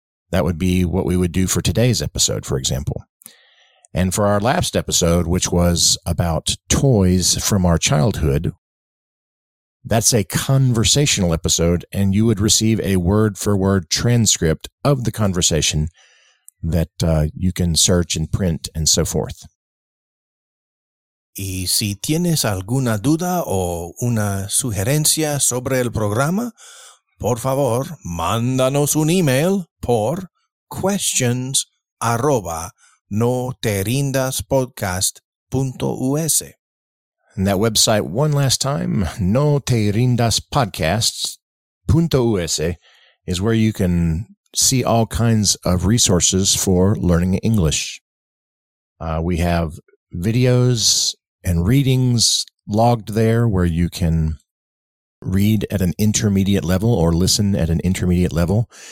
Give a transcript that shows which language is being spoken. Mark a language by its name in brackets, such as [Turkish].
[English] That would be what we would do for today's episode, for example. And for our last episode, which was about toys from our childhood, that's a conversational episode, and you would receive a word-for-word transcript of the conversation that you can search and print and so forth. [Spanish] Y si tienes alguna duda o una sugerencia sobre el programa, por favor, mándanos un email por questions@noterindaspodcast.us. [English] And that website, one last time, noterindaspodcasts.us, is where you can see all kinds of resources for learning English. We have videos and readings logged there where you can read at an intermediate level or listen at an intermediate level.